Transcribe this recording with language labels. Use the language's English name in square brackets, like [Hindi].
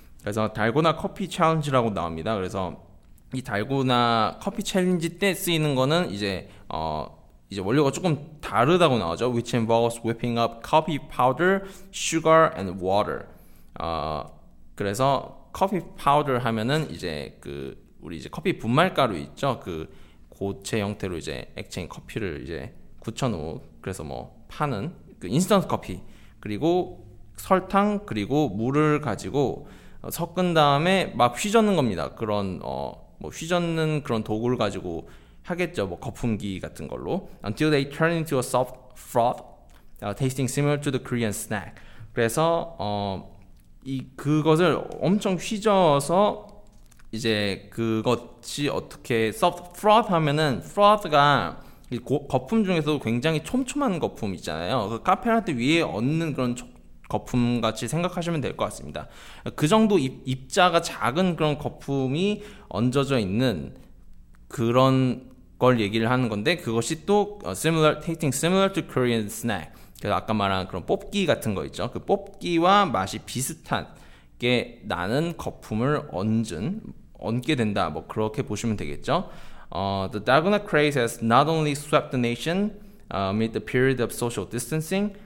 [Korean] 그래서 달고나 커피 챌린지라고 나옵니다. 그래서 이 달고나 커피 챌린지 때 쓰이는 거는 이제 이제 원료가 조금 다르다고 나오죠. [English] Which involves whipping up coffee powder, sugar, and water. [Korean] 그래서 커피 파우더 하면은 이제 그 우리 이제 커피 분말가루 있죠. 그 고체 형태로 이제 액체인 커피를 이제 굳혀놓고 그래서 뭐 파는 그 인스턴트 커피 그리고 설탕 그리고 물을 가지고 섞은 다음에 막 휘젓는 겁니다. 그런 뭐 휘젓는 그런 도구를 가지고 하겠죠. 뭐 거품기 같은 걸로. [English] Until they turn into a soft froth, tasting similar to the Korean snack. [Korean] 그래서 그것을 엄청 휘저어서 이제 그것이 어떻게 soft froth 하면은 froth가 거품 중에서도 굉장히 촘촘한 거품 있잖아요. 그 카페라떼 위에 얹는 그런 거품 같이 생각하시면 될 것 같습니다. 그 정도 입자가 작은 그런 거품이 얹어져 있는 그런 걸 얘기를 하는 건데 그것이 또 [English] similar tasting similar to Korean snack. [Korean] 그래서 아까 말한 그런 뽑기 같은 거 있죠. 그 뽑기와 맛이 비슷하게 나는 거품을 얹게 된다. 뭐 그렇게 보시면 되겠죠. [English] The dalgona craze has not only swept the nation amid the period of social distancing.